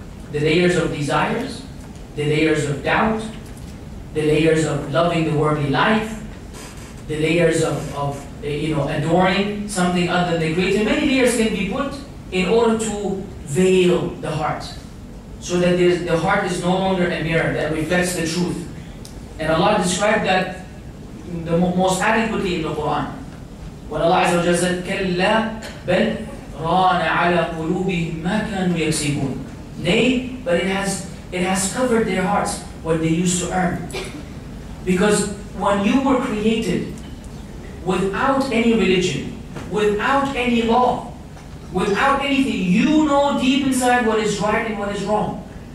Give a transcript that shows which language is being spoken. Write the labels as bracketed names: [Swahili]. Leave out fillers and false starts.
[English] The layers of desires, the layers of doubt, the layers of loving the worldly life, the layers of you know, adoring something other than the Creator. Many layers can be put in order to veil the heart, so that the heart is no longer a mirror that reflects the truth. And Allah described that the most adequately in the Quran. When Allah Azza wa Jalla said, [Arabic] كَلَّا بَلْ رَانَ عَلَى قُلُوبِهِمْ مَا كَانُوا يَكْسِبُونَ. [English] Nay, but it has covered their hearts what they used to earn. Because when you were created without any religion, without any law, without anything, you know deep inside what is right and what is wrong.